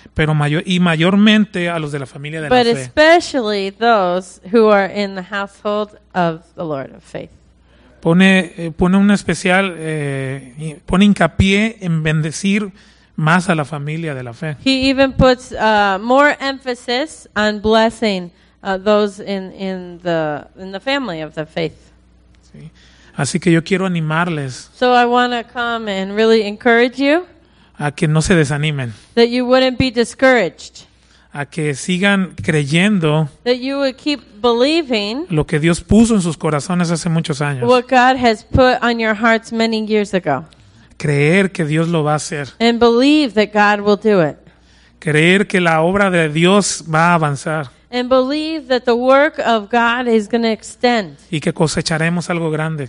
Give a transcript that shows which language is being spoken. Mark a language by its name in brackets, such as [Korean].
[Spanish] Pero mayormente a los de la familia de la fe. [English] But especially those who are in the household of the Lord of faith. [Spanish] Pone hincapié en bendecir más a la familia de la fe. [English] He even puts more emphasis on blessing those in the family of the faith. [Spanish] Sí. Así que yo quiero animarles. [English] So I want to come and really encourage you. [Spanish] A que no se desanimen. [English] That you wouldn't be discouraged. [Spanish] A que sigan creyendo. [English] That you would keep believing. [Spanish] Lo que Dios puso en sus corazones hace muchos años. [English] What God has put on your hearts many years ago. [Spanish] Creer que Dios lo va a hacer. [English] And believe that God will do it. [Spanish] Creer que la obra de Dios va a avanzar. [English] And believe that the work of God is going to extend. [Spanish] Y que cosecharemos algo grande.